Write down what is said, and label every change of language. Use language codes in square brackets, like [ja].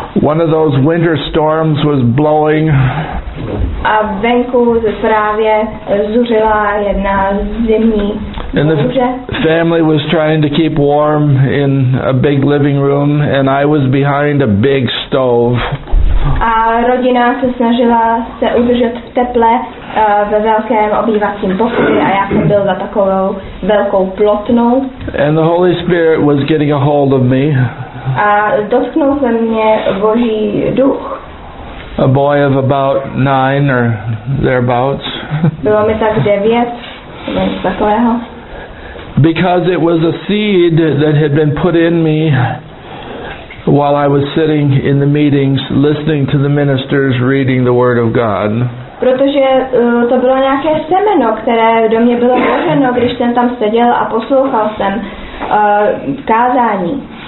[en] One of those winter storms was blowing. [cs] A venku právě zuřila jedna zimní bouře. [en] The family was trying to keep warm in a big living room and I was behind a big stove. [cs] A rodina se snažila se udržet v teple ve velkém obývacím pokoji a já jsem byl za takovou velkou plotnou. [en] And the Holy Spirit was getting a hold of me. [cs] A dotknul se mě Boží duch. [en] A boy of about 9 or thereabouts. [cs] Bylo mi tak 9, nebo takového. [en] Because it was a seed that had been put in me while I was sitting in the meetings listening to the ministers reading the word of God. [cs] Protože to bylo nějaké semeno, které do mě bylo vloženo, když jsem tam seděl a poslouchal jsem kázání.